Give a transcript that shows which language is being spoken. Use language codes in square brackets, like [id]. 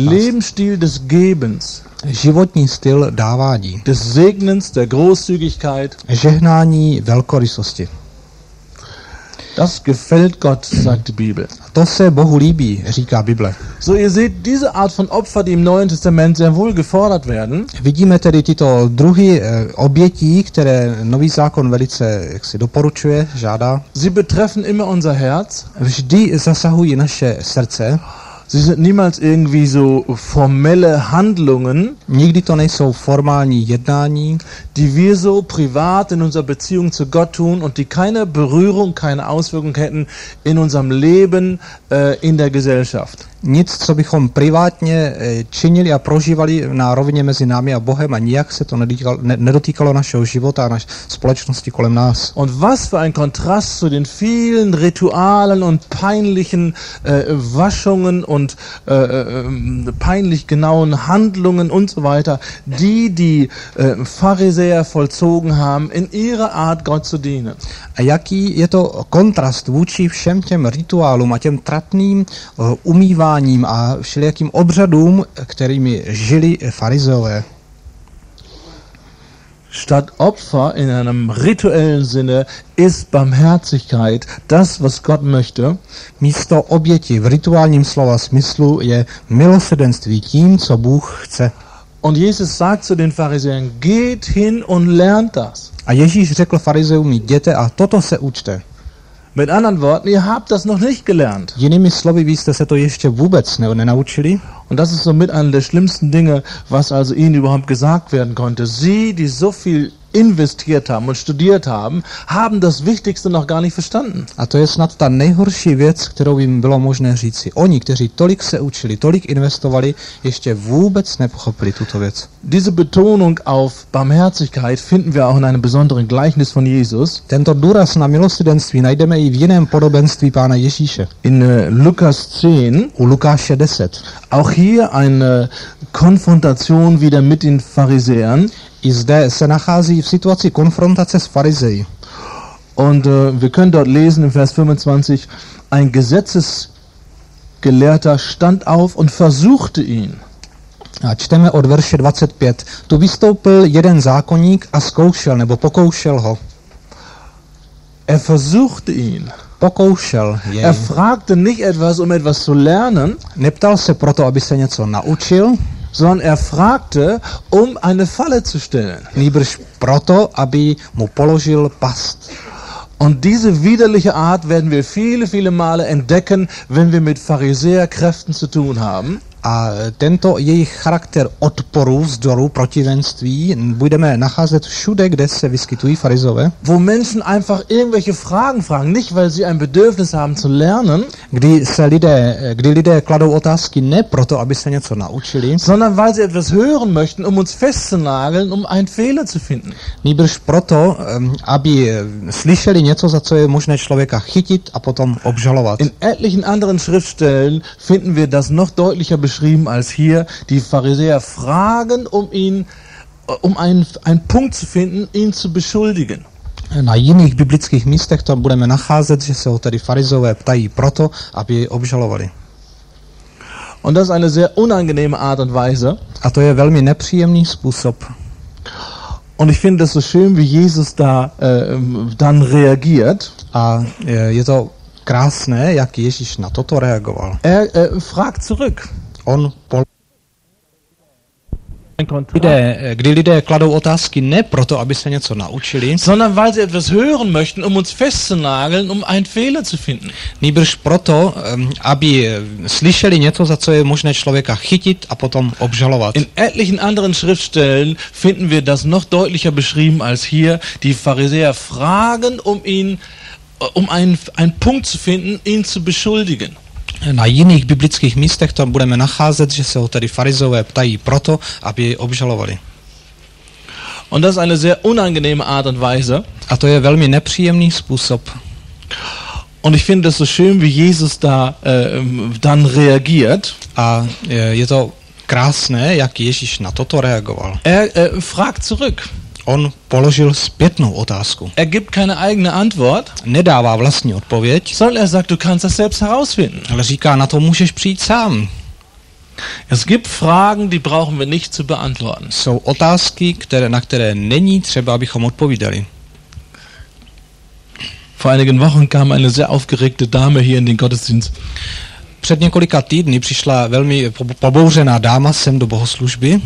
[de] Ein Lebensstil des Gebens. [cs] Životní styl dávání. [de] Des Segnens, der Großzügigkeit. [cs] Žehnání velkorysosti. [de] Das gefällt Gott, sagt die Bibel. [cs] To se Bohu líbí, říká Bible. [de] So ihr seht, diese Art von Opfer, die im Neuen Testament sehr wohl gefordert werden. [cs] Vidíme tedy tyto druhy obětí, které Nový zákon velice jaksi doporučuje, žádá. [de] Sie betreffen immer unser Herz. [cs] Vždy zasahují naše srdce. [de] Sie sind niemals irgendwie so formelle Handlungen. [cs] Nikdy to nejsou formální jednání, [de] die wir so privat in unserer Beziehung zu Gott tun und die keine Berührung, keine Auswirkung hätten in unserem Leben in der Gesellschaft. [cs] Nic, co bychom privátně činili a prožívali na rovině mezi námi a Bohem a nijak se to nedotýkalo našeho života a naší společnosti kolem nás. [de] Und was für ein Kontrast zu den vielen Ritualen und peinlichen Waschungen und peinlich genauen Handlungen und so weiter, die Pharisäer vollzogen haben in ihrer Art Gott zu dienen. [cs] A jaký je to kontrast vůči všem těm rituálům a těm tratným umýváním a všelijakým obřadům, kterými žili farizeové. [de] Statt Opfer in einem rituellen Sinne ist Barmherzigkeit das, was Gott möchte. [cs] Místo oběti v rituálním slova smyslu je milosrdenství tím, co Bůh chce. [de] Und Jesus sagt zu den Pharisäern, geht hin und lernt das. [cs] A Ježíš řekl farizeům, jděte a toto se učte. [de] Mit anderen Worten, ihr habt das noch nicht gelernt. [cs] Jinými slovy, vy jste se to ještě vůbec nenaučili. [de] Und das ist somit eine der schlimmsten Dinge, was also ihnen überhaupt gesagt werden konnte. Sie, die so viel investiert haben und studiert haben, haben das Wichtigste noch gar nicht verstanden. [cs] A to je snad ta nejhorší věc, kterou jim bylo možné říci. Oni, kteří tolik se učili, tolik investovali, ještě vůbec nepochopili tuto věc. [de] Diese Betonung auf Barmherzigkeit finden wir auch in einem besonderen Gleichnis von Jesus. [cs] Tento důraz na milosrdenství najdeme i v jiném podobenství Pána Ježíše. [de] In Lukas 10, [cs] u Lukáše 10. [de] Auch hier eine Konfrontation wieder mit den Pharisäern. [cs] I zde se nachází v situaci konfrontace s farizeji. [de] Und wir können dort lesen in Vers 25, ein Gesetzesgelehrter stand auf und versuchte ihn. [cs] A čteme od verše 25. Tu vystoupil jeden zákonník a zkoušel, nebo pokoušel ho. [de] Er versuchte ihn. [cs] Pokoušel jej. [de] Er fragte nicht etwas, um etwas zu lernen. [cs] Neptal se proto, aby se něco naučil. [de] Sondern er fragte, um eine Falle zu stellen. [cs] Nýbrž proto, aby mu položil past. [de] Und diese widerliche Art werden wir viele, viele Male entdecken, wenn wir mit Pharisäerkräften zu tun haben. [cs] A tento jejich charakter odporu, vzdoru, protivenství budeme nacházet všude, kde se vyskytují farizové. [de] Wo Menschen einfach irgendwelche Fragen fragen, nicht weil sie ein Bedürfnis haben zu lernen, [cs] kdy lidé kladou otázky ne proto, aby se něco naučili, [de] sondern weil sie etwas hören möchten, um uns festzunageln, um einen Fehler zu finden. [cs] Nýbrž proto, aby slyšeli něco, za co je možné člověka chytit a potom obžalovat. [de] In etlichen anderen Schriftstellen finden wir das noch deutlicher beschrieben als hier, die Pharisäer fragen, um einen Punkt zu finden, ihn zu beschuldigen. [cs] Na jiných biblických místech to budeme nacházet, že se ho tedy farizové ptají proto, aby obžalovali. [de] Und das ist eine sehr unangenehme Art und Weise. [cs] A to je velmi nepříjemný způsob. [de] Und ich finde das so schön, wie Jesus da dann reagiert. [cs] A je to krásné, jak Ježíš na toto reagoval. [de] Er fragt zurück. [cs] On kdy lidé kladou otázky ne proto, aby se něco naučili, [de] sondern weil sie etwas hören möchten, um uns festzunageln, um einen Fehler zu finden. [cs] Nýbrž proto, aby slyšeli něco, za co je možné člověka chytit a potom obžalovat. [de] In etlichen anderen Schriftstellen finden wir das noch deutlicher beschrieben als hier, die Pharisäer fragen, um einen Punkt zu finden, ihn zu beschuldigen. [cs] Na jiných biblických místech to budeme nacházet, že se ho tedy farizové ptají proto, aby jej obžalovali. [de] Und das ist eine sehr unangenehme Art und Weise. [cs] A to je velmi nepříjemný způsob. [de] Und ich finde das so schön, wie Jesus da dann reagiert. [cs] A je to krásné, jak Ježíš na toto reagoval. [de] Er fragt zurück. [cs] On položil zpětnou otázku. [de] Er gibt keine eigene Antwort. [cs] Nedává vlastní odpověď. [de] Sondern er sagt, du kannst das selbst herausfinden. [cs] Ale říká, na to můžeš přijít sám. [de] Es gibt Fragen, die brauchen wir nicht zu beantworten. [cs] Jsou otázky, na které není třeba, abychom odpovídali. [de] Vor einigen Wochen kam eine sehr aufgeregte Dame hier in den Gottesdienst. [cs] Před několika týdny přišla velmi pobouřená dáma sem do bohoslužby.